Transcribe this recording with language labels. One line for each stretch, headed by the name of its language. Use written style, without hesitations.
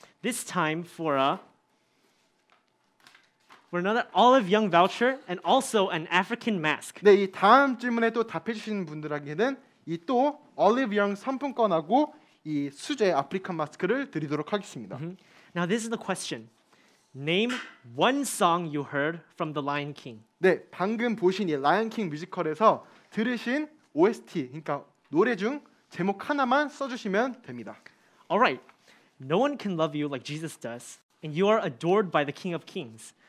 English: This time for another Olive Young voucher and also an African mask.
Korean: 네, 이 다음 질문에 또 답해주신 분들에게는 이 또 Olive Young 상품권하고 이 수제 아프리카 마스크를 드리도록 하겠습니다.
English: Mm-hmm. Now this is the question. Name one song you heard from The Lion King.
Korean: 네, 방금 보신 이 Lion King 뮤지컬에서 들으신 OST, 그러니까 노래 중 제목 하나만 써주시면 됩니다.
English: All right. No one can love you like Jesus does, and you are adored by the King of Kings.